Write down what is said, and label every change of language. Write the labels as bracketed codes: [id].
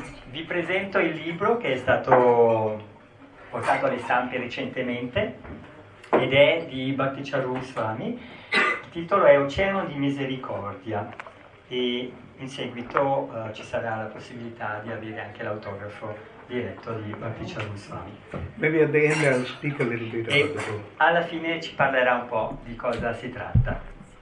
[it] Vi presento il libro che è stato portato alle stampe recentemente ed è di Bhakti Charu Swami. Il titolo è Oceano di Misericordia e in seguito ci sarà la possibilità di avere anche l'autografo diretto di Bhakti Charu Swami. [en] Maybe at the end I'll speak a little bit about the book. [it] Alla fine ci parlerà un po' di cosa si tratta.